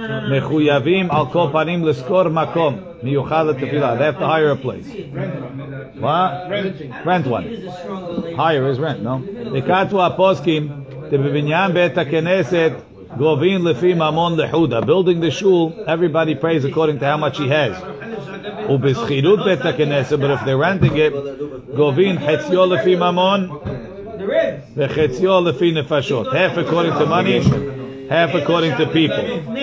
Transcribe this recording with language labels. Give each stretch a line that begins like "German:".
Hebrew: מחויבים על כל פנים לזכור מקום מיוחד לתפילה.
English: They have to hire a place. What? Rent one. Hire is rent, no?
Hebrew: וכתבו הפוסקים, שבבניין בית הכנסת גובים לפי ממון לחודה.
English: Building the shul, everybody prays according to how much he has.
Hebrew: ובשכירות בית הכנסת,
English: but if they're renting it,
Hebrew: גובים חציו לפי ממון וחציו לפי נפשות.
English: Half according to money, half according to people.